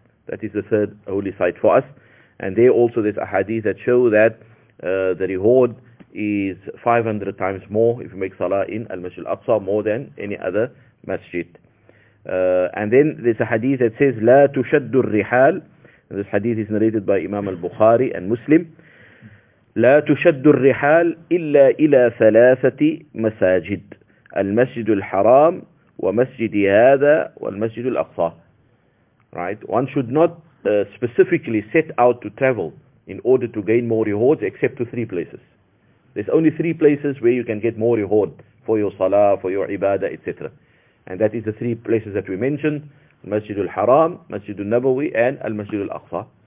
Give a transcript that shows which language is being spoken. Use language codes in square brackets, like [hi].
[en] That is the third holy site for us. And there also there's a hadith that show that the reward is 500 times more if you make salah in Al-Masjid Al-Aqsa, more than any other masjid. And then there's a hadith that says, [ar] لا تشد الرحال. [en] This hadith is narrated by Imam Al-Bukhari and Muslim. [ar] لا تشد الرحال إلا إلى ثلاثة مساجد. المسجد الحرام ومسجد هذا والمسجد الأقصى. [en] Right? One should not specifically set out to travel in order to gain more rewards except to three places. There's only three places where you can get more reward for your salah, for your ibadah, etc. And that is the three places that we mentioned: Masjid al-Haram, Masjid al-Nabawi, and Al-Masjid al-Aqsa.